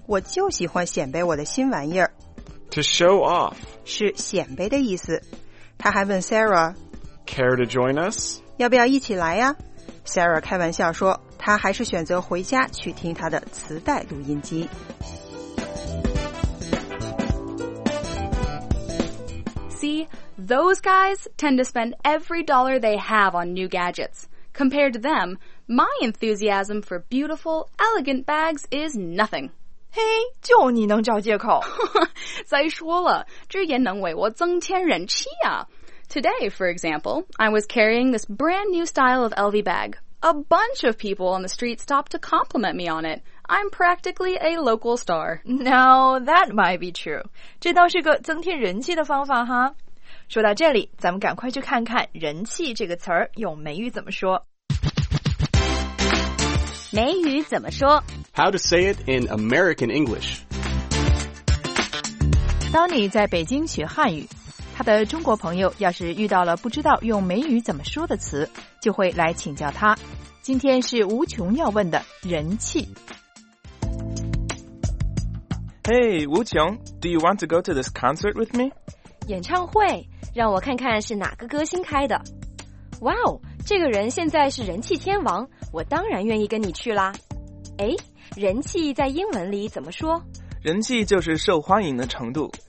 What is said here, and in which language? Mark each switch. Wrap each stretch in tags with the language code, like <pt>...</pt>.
<zh>我就喜欢显摆我的新玩意儿。</zh> <en>To show off.</en> <zh>是显摆的意思。他还问 Sarah,</zh> <en>Care to join us?</en> <zh>要不要一起来呀 ?Sarah 开玩笑说他还是选择回家去听他的磁带录音机。</zh> <en>See, those guys tend to spend every dollar they have on new gadgets. Compared to them, my enthusiasm for beautiful, elegant bags is nothing.</en> <zh>嘿，就你能找借口。再说了，这也能为我增添人气啊。</zh> <en>Today, for example, I was carrying this brand new style of LV bag. A bunch of people on the street stopped to compliment me on it. I'm practically a local star. Now, that might be true.</en> <zh>这倒是个增添人气的方法哈。说到这里，咱们赶快去看看人气这个词儿用美语怎么说。美语怎么说</zh> <en>?How to say it in American English.</en> <zh>当你在北京学汉语，他的中国朋友要是遇到了不知道用美语怎么说的词，就会来请教他。今天是无穷要问的人气。</zh> <en>Hey, Wu Qiong, do you want to go to this concert with me?</en> <zh>演唱会，让我看看是哪个歌星开的。Wow, 这个人现在是人气天王，我当然愿意跟你去啦。诶，人气在英文里怎么说？人气就是受欢迎的程度。</zh>